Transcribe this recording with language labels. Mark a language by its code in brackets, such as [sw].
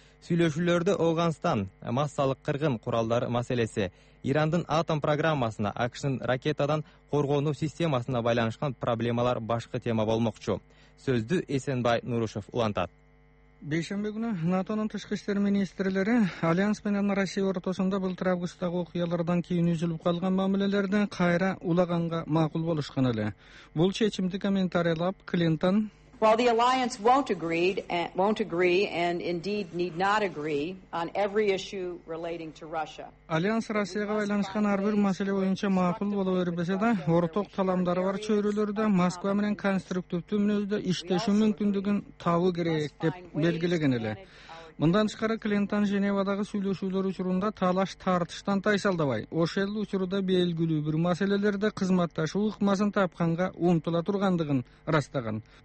[ky] Сүйлөшүүлөрдө Ооганстан, массалык кыргын куралдары маселеси, Ирандын атом программасына, АКШнын ракетадан коргонуу системасына байланышкан проблемалар башкы тема болмокчу. Сөздү Эсенбай Нурушев улантат. Бейшембе күнү НАТОнун тышкы иштер министрлери Альянс менен Россия ортосунда былтыр августтагы окуялардан кийин үзүлүп калган мамилелерди кайра улаганга макул болушкан эле. Бул чечимди комментарийлап Клинтон: [en] While the alliance won't agree and indeed need not agree on every issue relating to Russia. [ky] Альянс Россияга байланышкан ар бир маселе боюнча макул боло бербесе да, ортак таламдары бар чөйрөлөрдө Москва менен конструктивдүү мүнөздө иштешүү мүмкүндүгүн табы керек деп белгилеген эле. Мындан тышкары Клинтон Женевадагы сүйлөшүүлөр учурунда талаш тартыштан тайсалдабай, ошол учурда белгилүү бир маселелерде кызматташуу ыкмасын тапканга умтула тургандыгын ырастаган.